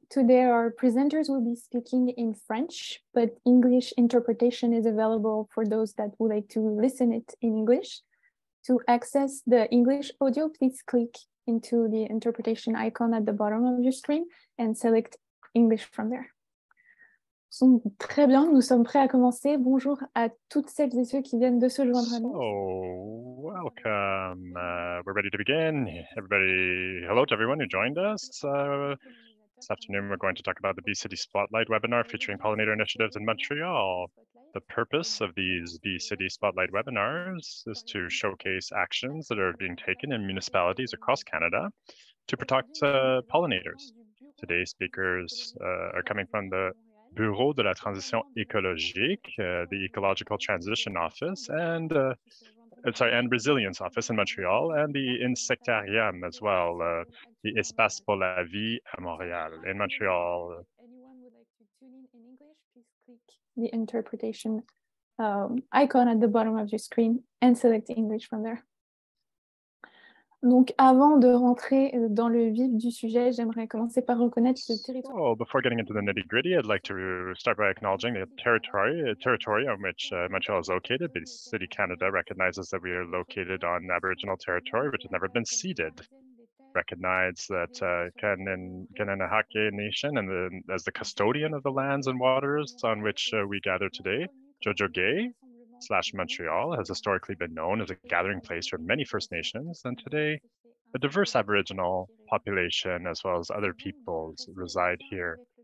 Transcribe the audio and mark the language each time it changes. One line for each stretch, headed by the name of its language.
English: Today our presenters will be speaking in French, but English interpretation is available for those that would like to listen it in English. To access the English audio, please click into the interpretation icon at the bottom of your screen and select English from there.
French: So, très bien, nous sommes prêts à commencer. Bonjour à toutes celles et ceux qui viennent de se joindre à nous.
English: Welcome. We're ready to begin. Hello to everyone who joined us. This afternoon, we're going to talk about the Bee City Spotlight webinar featuring pollinator initiatives in Montreal. The purpose of these Bee City Spotlight webinars is to showcase actions that are being taken in municipalities across Canada to protect pollinators. Today's speakers are coming from the Bureau de la Transition Écologique, the Ecological Transition Office, and and Resilience Office in Montreal, and the Insectarium as well, the Espace pour la vie à Montréal, in Montreal. Anyone would like to tune in English, please click the interpretation icon at the bottom of your screen and select English from there.
French: Donc avant de rentrer dans le vif du sujet, j'aimerais commencer par reconnaître le territoire.
English: So, before getting into the nitty-gritty, I'd like to start by acknowledging the territory on which Montreal is located. Bee City Canada recognizes that we are located on Aboriginal territory, which has never been ceded. Recognize that Kananahake Nation and as the custodian of the lands and waters on which we gather today, Jojogay/Montreal has historically been known as a gathering place for many First Nations, and today a diverse Aboriginal population as well as other peoples reside here.